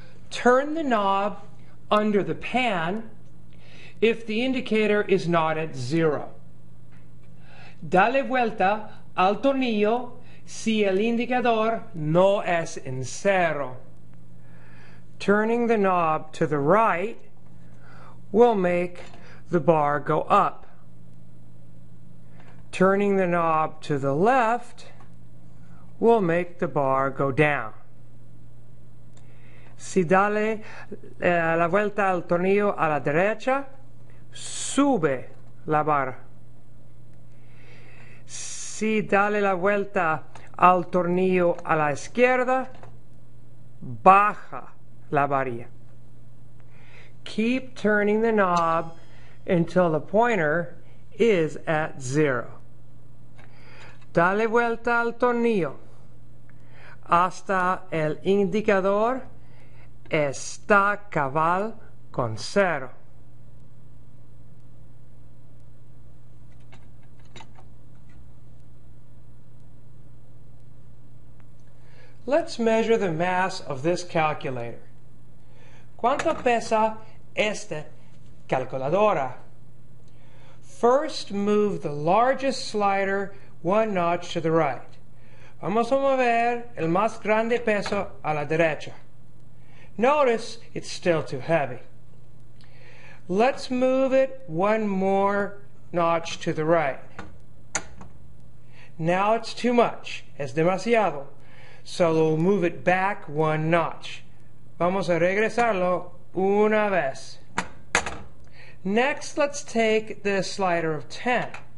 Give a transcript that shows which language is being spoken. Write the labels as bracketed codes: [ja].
[en] Turn the knob under the pan if the indicator is not at zero. [es] Dale vuelta al tornillo si el indicador no es en cero. [en] Turning the knob to the right will make the bar go up. Turning the knob to the left will make the bar go down. [es] Si dale la vuelta al tornillo a la derecha, sube la barra. Si dale la vuelta al tornillo a la izquierda, baja la varilla. [en] Keep turning the knob until the pointer is at zero. [es] Dale vuelta al tornillo hasta el indicador está cabal con cero. [en] Let's measure the mass of this calculator. [es] ¿Cuánto pesa esta calculadora? [en] First, move the largest slider one notch to the right. [es] Vamos a mover el más grande peso a la derecha. [en] Notice it's still too heavy. Let's move it one more notch to the right. Now it's too much. [es] Es demasiado. [en] So we'll move it back one notch. [es] Vamos a regresarlo una vez. [en] Next, let's take the slider of 10.